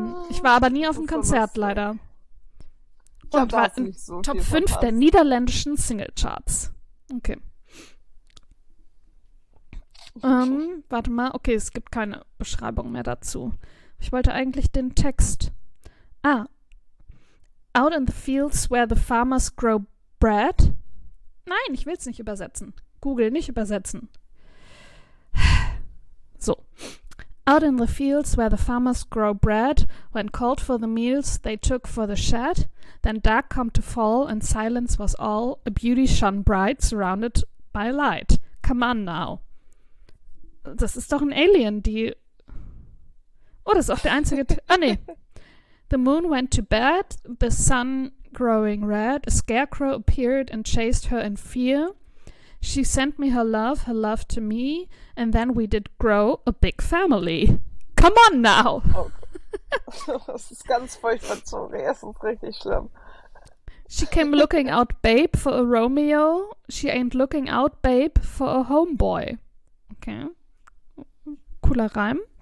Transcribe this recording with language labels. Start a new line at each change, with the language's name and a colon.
German: ich war aber nie auf dem Konzert, so leider. Und war in so Top 5 der niederländischen Singlecharts. Okay. Warte mal, okay, es gibt keine Beschreibung mehr dazu. Ich wollte eigentlich den Text. Ah.
English: Out in the fields where the farmers grow bread.
German: Nein, ich will es nicht übersetzen. Google, nicht übersetzen.
English: So. Out in the fields where the farmers grow bread, when called for the meals they took for the shed, then dark come to fall and silence was all, a beauty shone bright surrounded by light. Come on now.
German: Das ist doch ein Alien, die... Oh, das ist auch der einzige... nee.
English: The moon went to bed, the sun growing red, a scarecrow appeared and chased her in fear. She sent me her love to me, and then we did grow a big family. Come on now!
German: Oh, das ist ganz furchtbar, sorry, das ist richtig schlimm.
English: She came looking out, babe, for a Romeo. She ain't looking out, babe, for a homeboy.
German: Okay. Cooler Reim.